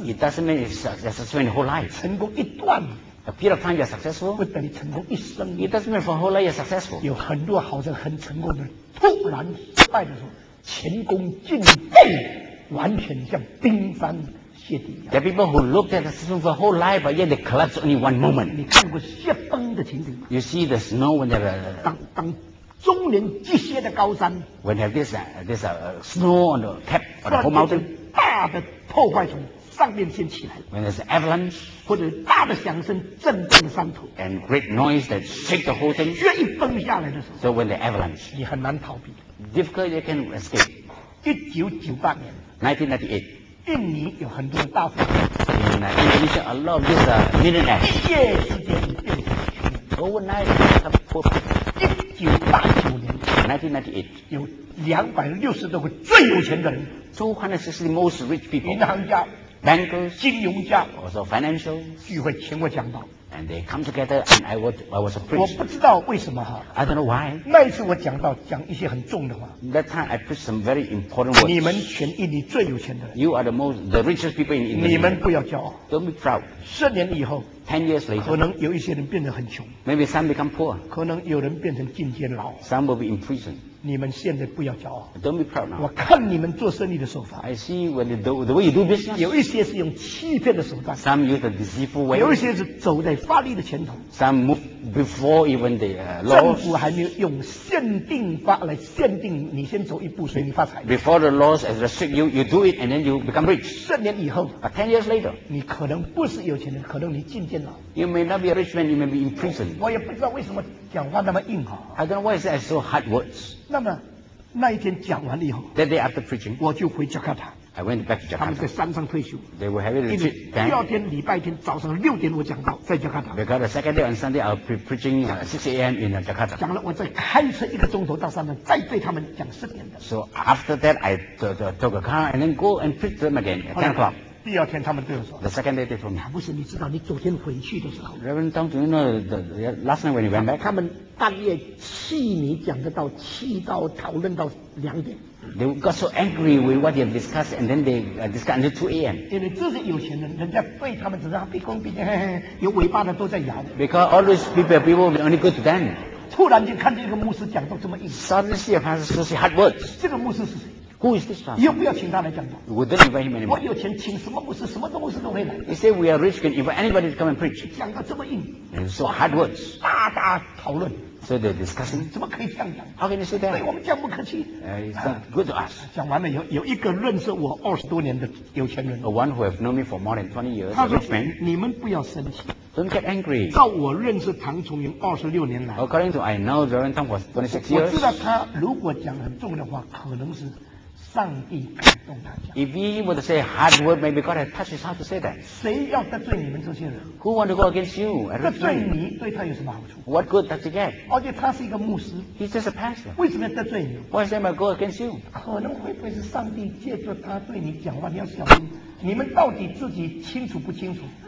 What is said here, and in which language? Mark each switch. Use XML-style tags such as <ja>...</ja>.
<en>it doesn't mean you're successful in the whole life</en> <zh>成功一段</zh> <en>A period of time you're successful.</en> <zh>不等于成功一生。</zh> <en>It doesn't mean for whole life you're successful.</en> <zh>有很多好像很成功的，突然失败的时候，前功尽废，完全像冰山歇地。</zh> <en>There are people who looked at the system for whole life, but yet they collapse only one moment.</en> <zh>你看过雪崩的情景</zh> <en>？You see the snow when they're</en> <zh>当终年积雪的高山。</zh> <en>When have this snow on the cap on the whole mountain.</en> <zh>大的破坏中。上面先起来</zh> <en>When there's avalanche,</en> <zh>或者大的响声震动山头</zh> <en>and great noise that shake the whole thing,</en> <zh>雪一崩下来的时候</zh> <en>so when the avalanche,</en> <zh>你很难逃避</zh> <en>difficult you can escape</en> <zh>1998年</zh> <en>1998</en> <zh>印尼有很多大富</zh> <en>豪 in Indonesia a lot of these millionaires</en> <zh>一夜之间变成穷</zh> <en>overnight have poor people</en> <zh>1989年</zh> <en>1998</en> <zh>有260多个最有钱的人</zh> <en>260 most rich people</en> <zh>银行家</zh> <en>Bankers,</en> <zh>金融家</zh> <en>also financial,</en> <zh>聚会请我讲道</zh> <en>and they come together and I was a priest.</en> <zh>我不知道为什么哈</zh> <en>I don't know why.</en> <zh>那一次我讲道讲一些很重的话</zh> <en>That time I preached some very important words.</en> <zh>你们全印尼最有钱的</zh> <en>You are the richest people in India.</en> <zh>你们不要骄傲</zh> <en>Don't be proud.</en> <zh>十年以后</zh> <en>10 years later,</en> <zh>可能有一些人变得很穷</zh> <en>Maybe some become poor.</en> <zh>可能有人变成进监牢</zh> <en>Some will be in prison.</en> <zh>你们现在不要骄傲。</zh> <en>Don't be proud now.</en> <zh>我看你们做生意的手法。</zh> <en>I see when you do the way you do business.</en> <zh>有一些是用欺骗的手段。</zh> <en>Some use the deceitful way.</en> <zh>有一些是走在法律的前头。</zh> <en>Some move before even the law.</en> <zh>政府还没有用限定法来限定你先走一步，所以你发财。</zh> <en>Before the laws has restrict you, you do it and then you become rich.</en> <zh>十年以后。</zh> <en>But 10 years later.</en> <zh>你可能不是有钱人，可能你进监牢。</zh> <en>You may not be a rich man, you may be in prison.</en> <zh>我也不知道为什么讲话那么硬哈。</zh> <en>I don't know why I say so hard words.</en> <zh>那么那一天讲完了以后</zh> <en>That day after preaching,</en> <zh>我就回 Jakarta,</zh> <en>I went back to Jakarta</en> <zh>他们在山上退休</zh> <en>They were having a retreat</en> <zh>第二天礼拜天早上六点我讲到在 Jakarta</zh> <en>Because the second day on Sunday I'll be preaching at 6 a.m. in Jakarta</en> <zh>讲了我再开车一个钟头到山上再对他们讲十点的</zh> <en>So after that I took a car and then go and preach them again at 10 o'clock</en> <zh>第二天他们对我说</zh> <en>The second day they told me</en> <zh>不是你知道你昨天回去的时候</zh> <en>Reverend Tom, do you know last night when you went back</en> <zh>他们半夜气你讲得到气到讨论到两点</zh> <en>They got so angry with what you discussed and then they discussed until 2 a.m.</en> <zh>因为这是有钱人人家对他们只是毕恭毕敬有尾巴的都在摇</zh> <en>Because all those people were only good to them</en> <zh>突然间看见一个牧师讲到这么硬</zh> <en>Suddenly see a pastor say hard words</en> <zh>这个牧师是谁</zh> <en>Who is this</en> <zh>one? 又不要请他来讲道。</zh> <en>We don't invite him anymore.</en> <zh>我有钱请什么牧师，什么牧师都会来。</zh> <en>He said we are rich, can invite anybody to come and preach.</en> <zh>讲到这么硬。</zh> <en>And so hard words.</en> <zh>大大讨论。</zh> <en>So they're discussing.</en> <zh>怎么可以这样讲</zh> <en>？How can you say that?</en> <zh>对我们讲不客气。</zh> <en>It's not good to us.</en> <zh>讲完了以后，有一个认识我20多年的有钱人。</zh> <en>A one who have known me for more than 20 years.</en> <zh>他说：“你们不要生气。”</zh> <en>Don't get angry.</en> <zh>照我认识唐崇云26年来。</zh> <en>According to I know Reverend Tom for 26 years.</en> <zh>我知道他如果讲很重的话，可能是。上帝感动他讲。</zh> <en>If he would say hard word, maybe God has touched his heart to say that.</en> <zh>谁要得罪你们这些人</zh> <en>？Who want to go against you?</en> <zh>得罪你对他有什么好处</zh> <en>？What good does he get?</en> <zh>而且他是一个牧师。</zh> <en>He's just a pastor.</en> <zh>为什么要得罪你</zh> <en>？Why should I go against you?</en> <zh>可能会不会是上帝借着他对你讲话，你要小心。你们到底自己清楚不清楚？</zh>